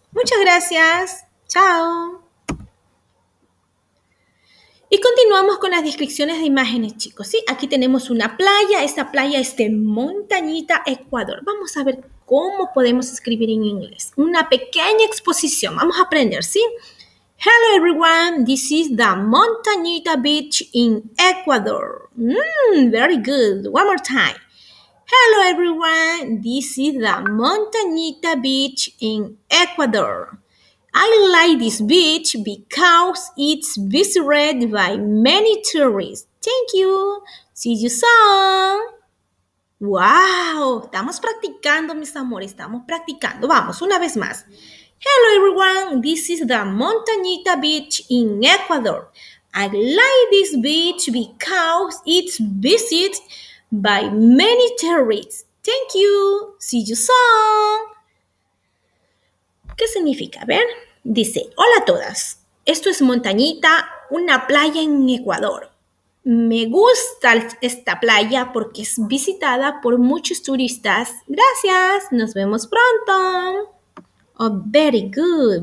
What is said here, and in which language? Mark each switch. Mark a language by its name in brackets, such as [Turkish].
[Spanish] Muchas gracias. Chao. Y continuamos con las descripciones de imágenes, chicos. ¿Sí? Aquí tenemos una playa. Esta playa es de Montañita, Ecuador. Vamos a ver cómo podemos escribir en inglés. Una pequeña exposición. Vamos a aprender, ¿sí? [English] Hello everyone, this is the Montañita Beach in Ecuador. Very good. One more time. Hello everyone, this is the Montañita Beach in Ecuador. I like this beach because it's visited by many tourists. Thank you. See you soon. [Spanish] Wow, estamos practicando, mis amores, estamos practicando. Vamos, una vez más. [English] Hello everyone, this is the Montañita Beach in Ecuador. I like this beach because it's visited by many tourists. Thank you. See you soon. [Spanish] ¿Qué significa? A ver, dice, hola a todas. Esto es Montañita, una playa en Ecuador. Me gusta esta playa porque es visitada por muchos turistas. Gracias, nos vemos pronto. [English] Oh, very good.